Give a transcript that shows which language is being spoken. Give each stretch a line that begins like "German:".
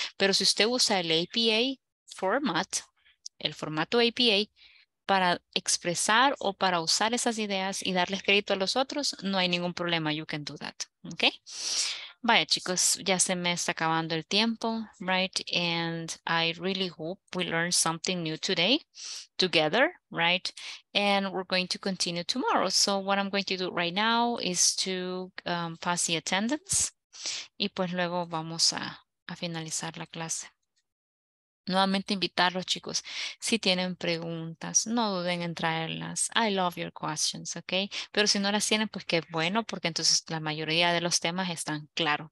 Spanish: Pero si usted usa el APA format, el formato APA, para expresar o para usar esas ideas y darles crédito a los otros, no hay ningún problema.
English: You can do that.
Spanish: ¿Okay? Vaya, chicos, ya se me está acabando el tiempo,
English: right? And I really hope we learned something new today together, right? And we're going to continue tomorrow. So what I'm going to do right now is to pass the attendance.
Spanish: Y pues luego vamos a finalizar la clase. Nuevamente invitarlos, chicos. Si tienen preguntas, no duden en traerlas.
English: I love your questions, okay?
Spanish: Pero si no las tienen, pues qué bueno, porque entonces la mayoría de los temas están claros.